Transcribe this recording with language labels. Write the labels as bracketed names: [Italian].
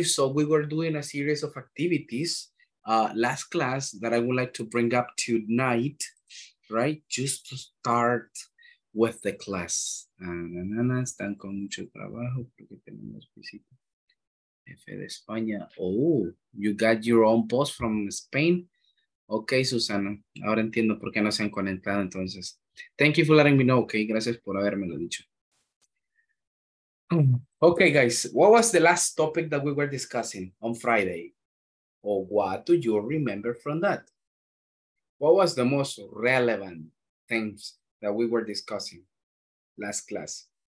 [English] So we were doing a series of activities last class that I would like to bring up tonight, right? Just to start with the class. [Spanish] Están con mucho trabajo porque tenemos visita. Jefe de España. [English] Oh, you got your own boss from Spain. Okay, Susana. [Spanish] Ahora entiendo por qué no se han conectado entonces. [English] Thank you for letting me know, okay? [Spanish] Gracias por habérmelo dicho. [English] Okay, guys, what was the last topic that we were discussing on Friday? Or what do you remember from that? What was the most relevant things that we were discussing last class?